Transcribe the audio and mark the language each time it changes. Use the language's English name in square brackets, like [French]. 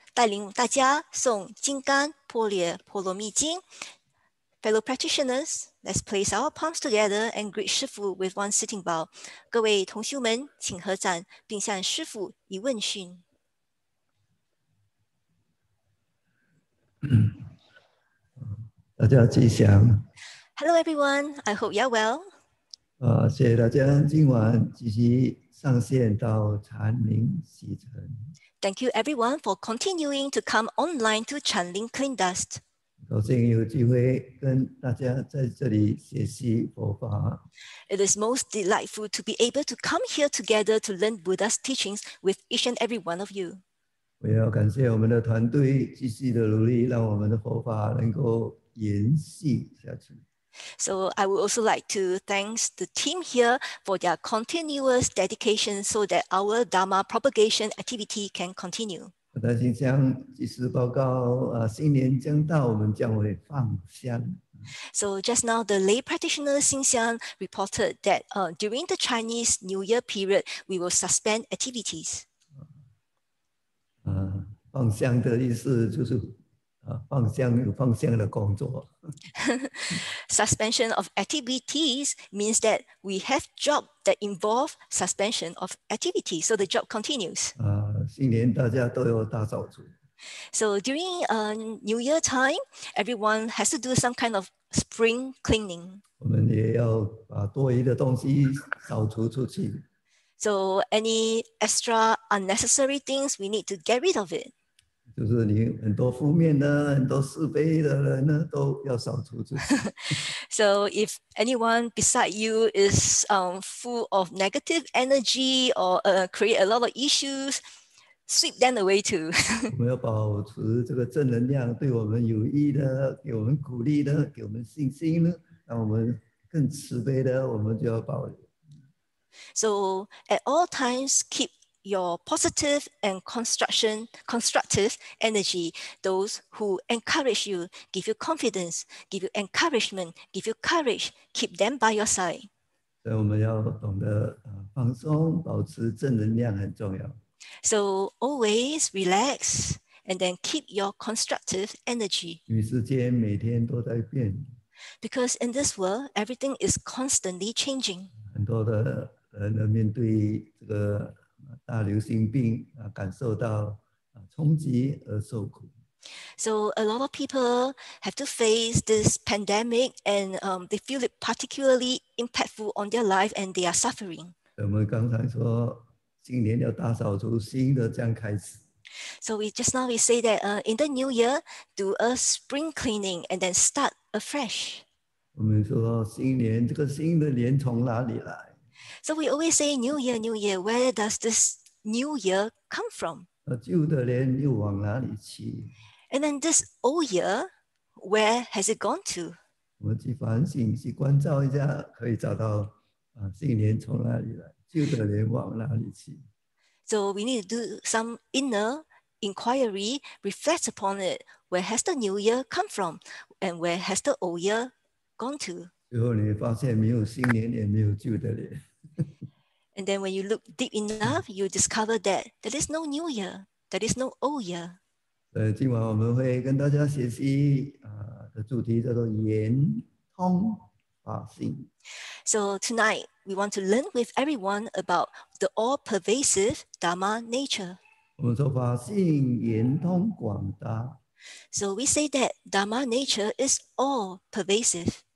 [Chinese] 带领大家诵《金刚般若波罗蜜经》。 [English] Fellow practitioners, let's place our palms together and greet 师父 with one sitting bow. [Chinese] 各位同修们，请合掌，并向师父一问讯。大家吉祥。 [English] Hello, everyone. I hope you're well. [Chinese] 谢谢大家今晚继续上线到禅林洗尘。 [English] Thank you, everyone, for continuing to come online to Chanling Clean Dust. [Chinese] 高兴有机会跟大家在这里学习佛法。 [English] It is most delightful to be able to come here together to learn Buddha's teachings with each and every one of you. [Chinese] 我要感谢我们的团队继续的努力，让我们的佛法能够延续下去。 [English] So I would also like to thank the team here for their continuous dedication so that our Dharma propagation activity can continue. [Chinese] 我担心将及时报告，新年将到，我们将会放香。 [English] So just now, the lay practitioner Xinxiang reported that during the Chinese New Year period, we will suspend activities. [Chinese] 放香的意思就是放香有放香的工作。 [English] Suspension of activities means that we have job that involve suspension of activity, so the job continues. [Chinese] 新年大家都有大扫除。 [English] So during New Year time, everyone has to do some kind of spring cleaning. [Chinese] 我们也要把多余的东西扫除出去。 [English] So any extra unnecessary things, we need to get rid of it. [Chinese] 就是你很多负面的，很多是非的人呢，都要扫除出去。 [English] So if anyone beside you is full of negative energy or create a lot of issues, sweep them away too. [Chinese] 我们要保持这个正能量，对我们有益的，给我们鼓励的，给我们信心的，让我们更慈悲的，我们就要保留。 [English] So at all times, keep your positive and constructive energy. Those who encourage you, give you confidence, give you encouragement, give you courage, keep them by your side. [Chinese] 所以我们要懂得放松，保持正能量很重要。 [English] So always relax and then keep your constructive energy. [Chinese] 因为世界每天都在变。 [English] Because in this world, everything is constantly changing. [Chinese] 很多的人呢，面对这个大流行病啊，感受到冲击而受苦。 [English] So a lot of people have to face this pandemic, and they feel it particularly impactful on their life, and they are suffering. [Chinese] 我们刚才说，新年要大扫除，新的这样开始。 [English] So we just now we say that in the new year, do a spring cleaning and then start afresh. [Chinese] 我们说新年，这个新的年从哪里来？ [English] So we always say, New Year, New Year, where does this New Year come from? [Chinese] 旧的年又往哪里去? [English] And then this old year, where has it gone to? [Chinese] 我们去反省，去关照一下，可以找到新年从哪里来，旧的年往哪里去。 [English] So we need to do some inner inquiry, reflect upon it. Where has the New Year come from? And where has the old year gone to? [Chinese] 最后你发现没有新年，也没有旧的年。 [English] And then when you look deep enough, you discover that there is no new year, there is no old year. [Chinese] 所以今晚我们会跟大家学习的主题叫做圆通法性。 [English] So tonight, we want to learn with everyone about the all-pervasive Dharma nature. [Chinese] 我们说法性圆通广大。 [English] So we say that Dharma nature is all-pervasive.